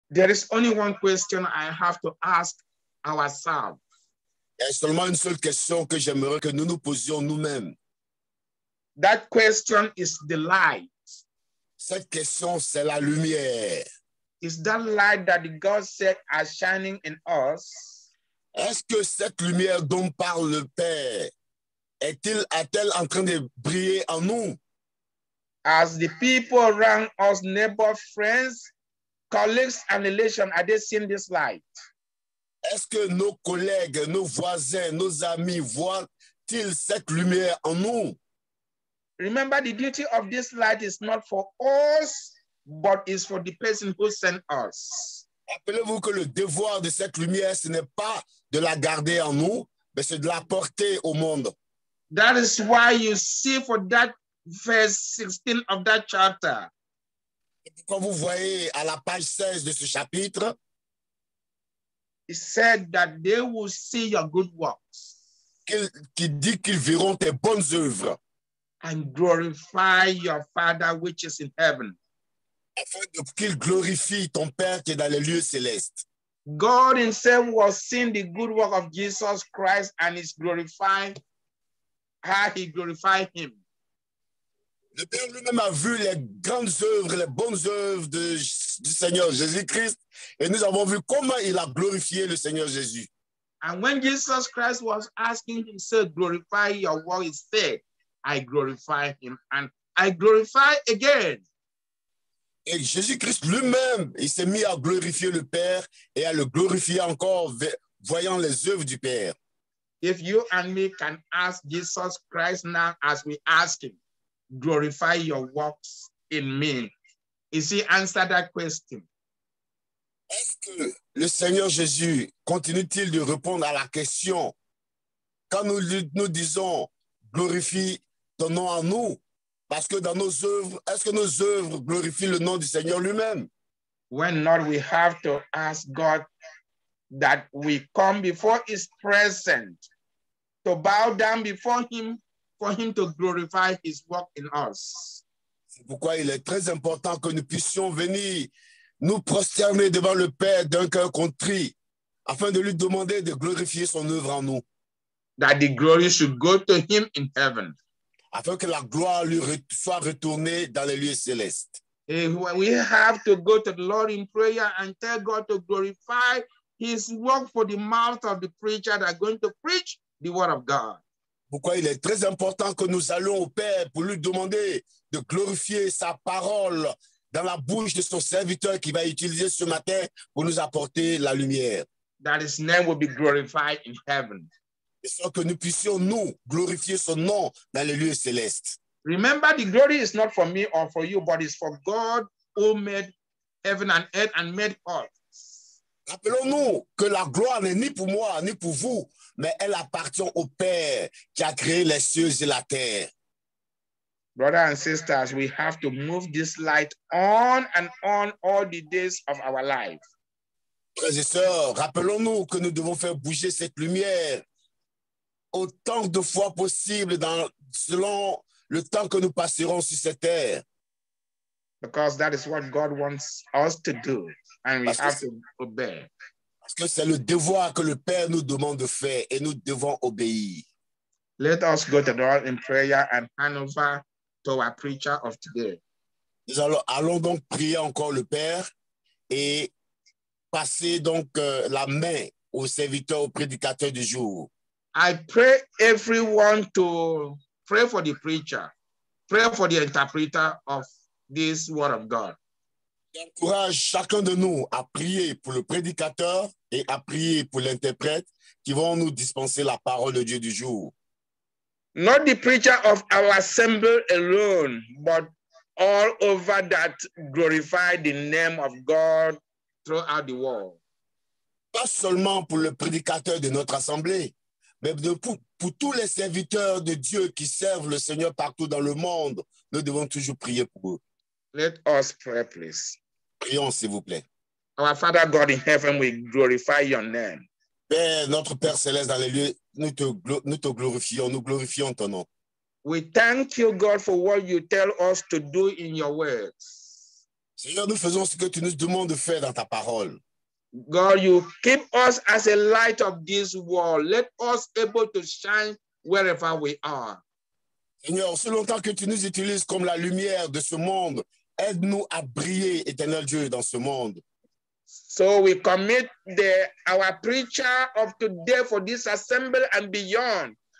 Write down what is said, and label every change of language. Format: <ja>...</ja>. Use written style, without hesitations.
<en>There is only one question I have to ask ourselves.</en> <fr>Il y a seulement une seule question que j'aimerais que nous nous posions nous-mêmes.</fr> <en>That question is the light.</en> <fr>Cette question, c'est la lumière.</fr> <en>Is that light that God said are shining in us?</en> <fr>Est-ce que cette lumière dont parle le Père est-elle en train de briller en nous?</fr> <en>As the people around us, neighbors, friends, colleagues and relations, are they seeing this light?</en> <fr>Est-ce que nos collègues, nos voisins, nos amis voient-ils cette lumière en nous?</fr> <en>Remember, the duty of this light is not for us, but is for the person who sent us.</en> <fr>Rappelez-vous que le devoir de cette lumière, ce n'est pas de la garder en nous, mais c'est de la porter au monde.</fr> <en>That is why you see for that verse 16 of that chapter.</en> <fr>Et quand vous voyez à la page 16 de ce chapitre,</fr> <en>it said that they will see your good works.</en> <fr>Qui dit qu'ils verront tes bonnes œuvres.</fr> <en>And glorify your Father which is in heaven.</en> <fr>Afin qu'il glorifie ton Père qui est dans les lieux célestes.</fr> <en>God himself was seeing the good work of Jesus Christ and is glorifying how he glorified him.</en> <fr>Le Père lui-même a vu les grandes œuvres, les bonnes œuvres du Seigneur Jésus-Christ et nous avons vu comment il a glorifié le Seigneur Jésus.</fr> <en>And when Jesus Christ was asking himself, glorify your work, he said, I glorify him and I glorify again.</en> <fr>Et Jésus-Christ lui-même, il s'est mis à glorifier le Père et à le glorifier encore, voyant les œuvres du Père.</fr> <en>If you and me can ask Jesus Christ now as we ask him, glorify your works in me. Is he answer that question?</en> <fr>Est-ce que le Seigneur Jésus continue-t-il de répondre à la question quand nous disons glorifie ton nom en nous? Parce que dans nos œuvres, est-ce que nos œuvres glorifient le nom du Seigneur lui-même?</fr> <en>When not, we have to ask God that we come before his presence to bow down before him for him to glorify his work in us.</en> <fr>C'est pourquoi il est très important que nous puissions venir nous prosterner devant le Père d'un cœur contrit afin de lui demander de glorifier son œuvre en nous.</fr> <en>That the glory should go to him in heaven.</en> <fr>Afin que la gloire lui soit retournée dans les lieux célestes.</fr> <en>And we have to go to the Lord in prayer and tell God to glorify his work for the mouth of the preacher that are going to preach the word of God.</en> <fr>Pourquoi il est très important que nous allions au Père pour lui demander de glorifier sa parole dans la bouche de son serviteur qui va utiliser ce matin pour nous apporter la lumière.</fr> <en>That his name will be glorified in heaven.</en> <fr>Et sans que nous puissions, nous, glorifier son nom dans les lieux célestes.</fr> <en>Remember, the glory is not for me or for you, but it's for God who made heaven and earth and made earth.</en> <fr>Rappelons-nous que la gloire n'est ni pour moi, ni pour vous, mais elle appartient au Père qui a créé les cieux et la terre.</fr> <en>Brothers and sisters, we have to move this light on and on all the days of our life.</en> <fr>Frères et sœurs, rappelons-nous que nous devons faire bouger cette lumière autant de fois possible selon le temps que nous passerons sur cette terre.</fr> <en>Because that is what God wants us to do, and we have to obey.</en> <fr>Parce que c'est le devoir que le Père nous demande de faire, et nous devons obéir.</fr> <en>Let us go to the Lord in prayer and hand over to our preacher of today.</en> <fr>Nous allons donc prier encore le Père et passer donc la main au serviteur, au prédicateur du jour.</fr> <en>I pray everyone to pray for the preacher, pray for the interpreter of this word of God.</en> <fr>J'encourage chacun de nous à prier pour le prédicateur et à prier pour l'interprète qui vont nous dispenser la parole de Dieu du jour.</fr> <en>Not the preacher of our assembly alone, but all over that glorify the name of God throughout the world.</en> <fr>Pas seulement pour le prédicateur de notre assemblée, mais pour tous les serviteurs de Dieu qui servent le Seigneur partout dans le monde, nous devons toujours prier pour eux.</fr> <en>Let us pray, please.</en> <fr>Prions, s'il vous plaît.</fr> <en>Our Father God in heaven, we glorify your name.</en> <fr>Père, notre Père céleste dans les lieux, nous te glorifions, nous glorifions ton nom.</fr> <en>We thank you, God, for what you tell us to do in your words.</en> <fr>Seigneur, nous faisons ce que tu nous demandes de faire dans ta parole.</fr> <en>God, you keep us as a light of this world. Let us able to shine wherever we are.</en> <fr>Seigneur, si longtemps que tu nous utilises comme la lumière de ce monde, aide-nous à briller, éternel Dieu, dans ce monde.</fr> <en>So we commit our preacher of today for this assembly and beyond.</en>